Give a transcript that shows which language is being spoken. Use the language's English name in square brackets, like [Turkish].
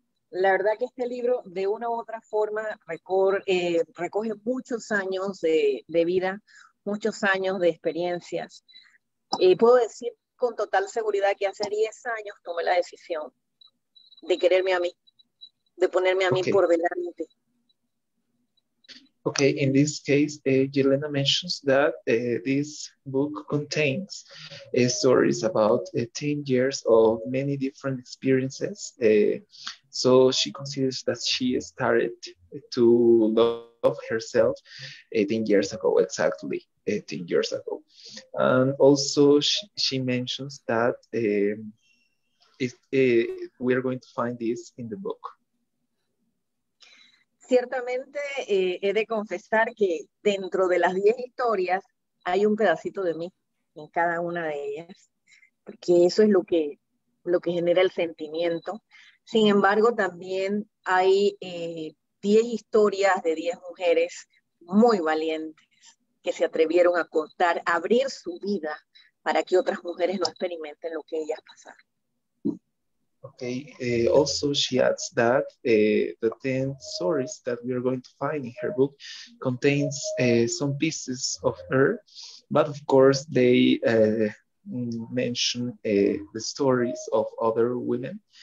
[Spanish] La verdad que este libro, de una u otra forma, recoge muchos años de vida, muchos años de experiencias. Puedo decir con total seguridad que hace 10 años tomé la decisión de quererme a mí, de ponerme a mí por delante. [English] Okay, in this case, Yelena mentions that this book contains stories about 10 years of many different experiences. So she considers that she started to love herself 10 years ago, exactly 10 years ago. And also she mentions that we are going to find this in the book. [Spanish] Ciertamente he de confesar que dentro de las 10 historias hay un pedacito de mí en cada una de ellas, porque eso es lo que genera el sentimiento. Sin embargo, también hay 10 historias de 10 mujeres muy valientes que se atrevieron a contar, a abrir su vida para que otras mujeres no experimenten lo que ellas pasaron. [English] Okay, also she adds that the 10 stories that we are going to find in her book contains some pieces of her, but of course they mention the stories of other women.